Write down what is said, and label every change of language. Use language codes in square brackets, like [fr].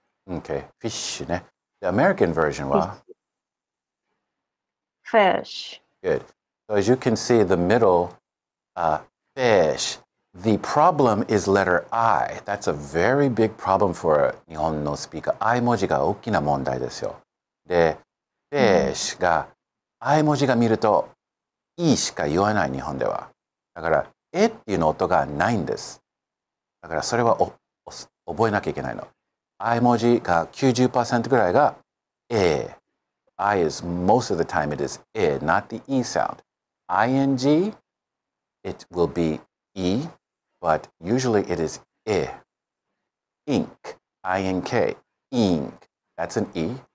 [en] Okay, fish, ne? The American version, wa? Fish. Good. So as you can see, the middle, fish. The problem is letter I. That's a very big problem for a 日本の speaker. [ja] I 文字が大きな問題ですよ。で、fish が、I 文字が見ると、E しか言わない、日本では。だから、えっていうの音がないんです。だからそれは覚えなきゃいけないの。 I 文字が 90% ぐらいが A。 [en] I is most of the time it is A, not the E sound. ING, it will be E, but usually it is A. Ink, I-N-K, ink, that's an E.